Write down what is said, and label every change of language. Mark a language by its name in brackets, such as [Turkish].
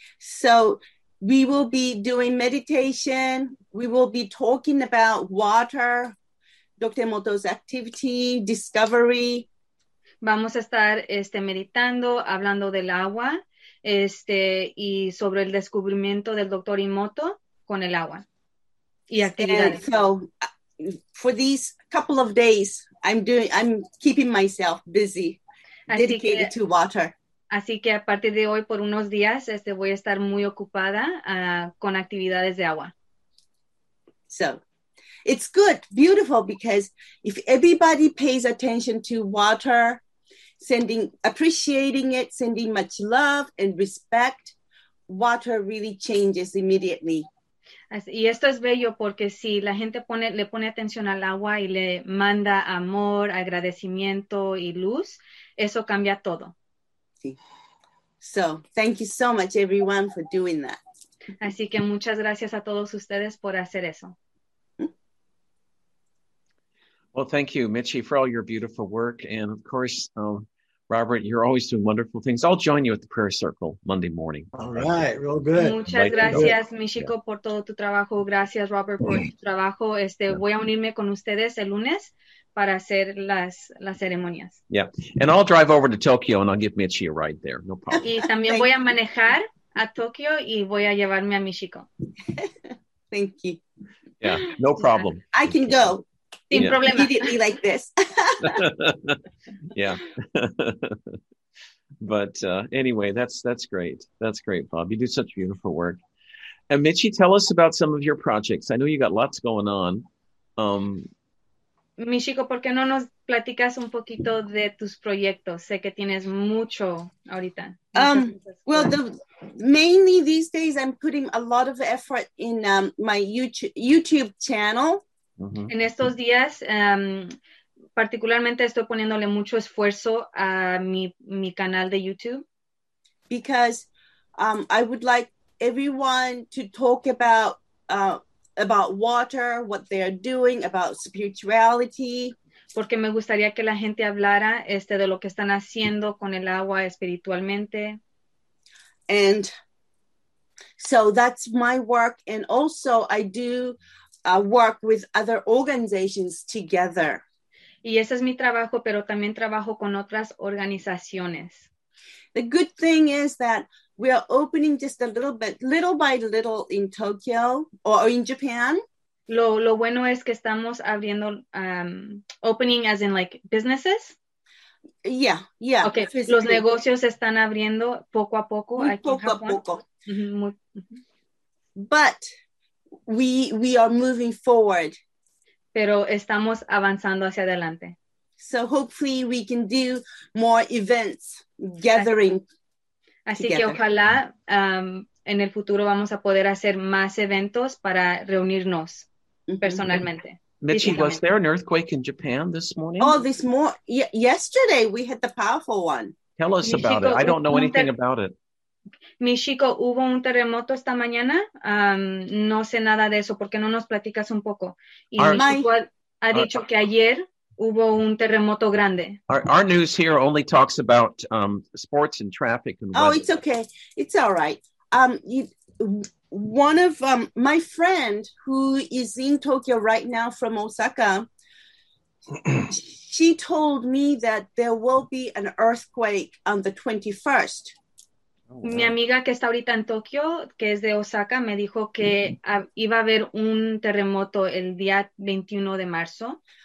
[English] So, we will be doing meditation. We will be talking about water, Dr. Moto's activity, discovery. [Spanish] Vamos a estar meditando, hablando del agua, y sobre el descubrimiento del Dr. Imoto con el agua y actividades. [English] And so for these couple of days, I'm keeping myself busy, dedicated to water. [Spanish] Así que a partir de hoy, por unos días, voy a estar muy ocupada con actividades de agua. [English] So, it's good, beautiful, because if everybody pays attention to water, appreciating it, sending much love and respect, water really changes immediately. [Spanish] Y esto es bello porque si la gente le pone atención al agua y le manda amor, agradecimiento y luz, eso cambia todo. [English] So, thank you so much, everyone, for doing that. [Spanish] Así que muchas gracias a todos ustedes por hacer eso. [English] Well, thank you, Michi, for all your beautiful work. And, of course, Robert, you're always doing wonderful things. I'll join you at the prayer circle Monday morning. All right, real good. [Spanish] Muchas gracias, Michiko, por todo tu trabajo. Gracias, Robert, por tu trabajo. Voy a unirme con ustedes el lunes para hacer las ceremonias. [English] Yeah, and I'll drive over to Tokyo and I'll give Michi a ride there. No problem. [Spanish] Y también voy a manejar a Tokio y voy a llevarme a México. [English] Thank you. Yeah, no problem. I can go. [Spanish] Sin problema. [English] Immediately like this. Yeah. But anyway, that's great. That's great, Bob. You do such beautiful work. And Michi, tell us about some of your projects. I know you got lots going on. [Spanish] Michiko, ¿por qué no nos platicas un poquito de tus proyectos? Sé que tienes mucho ahorita. [English] Well, mainly these days I'm putting a lot of effort in my YouTube channel. Mm-hmm. [Spanish] En estos días, particularmente estoy poniéndole mucho esfuerzo a mi canal de YouTube. [English] Because I would like everyone to talk about water, what they are doing, about spirituality. [Spanish] Porque me gustaría que la gente hablara de lo que están haciendo con el agua espiritualmente. [English] And so that's my work. And also I do work with other organizations together. [Spanish] Y ese es mi trabajo, pero también trabajo con otras organizaciones. [English] The good thing is that we are opening just a little bit, little by little in Tokyo or in Japan. [Spanish] Lo bueno es que estamos abriendo, [English] opening as in like businesses? Yeah, yeah. Okay, physically. [Spanish] Los negocios están abriendo poco a poco. Muy aquí poco en Japón. A poco. [English] Mm-hmm. But we are moving forward. [Spanish] Pero estamos avanzando hacia adelante. [English] So hopefully we can do more events, gathering. [Spanish] Así together. Que ojalá en el futuro vamos a poder hacer más eventos para reunirnos personalmente. [English] Michi, was there an earthquake in Japan this morning? Oh, this morning. Yesterday we had the powerful one. Tell us about it. I don't know anything about it. [Spanish] Michiko, ¿hubo un terremoto esta mañana? No sé nada de eso. ¿Por qué no nos platicas un poco? Y Michiko ha dicho que ayer hubo un terremoto grande. [English] Our news here only talks about sports and traffic and weather. Oh, it's okay. It's all right. One of my friend who is in Tokyo right now from Osaka, she told me that there will be an earthquake on the 21st. Oh, wow. [Spanish] Mi amiga que está ahorita en Tokio, que es de Osaka, me dijo que iba a haber un terremoto el día 21 de marzo.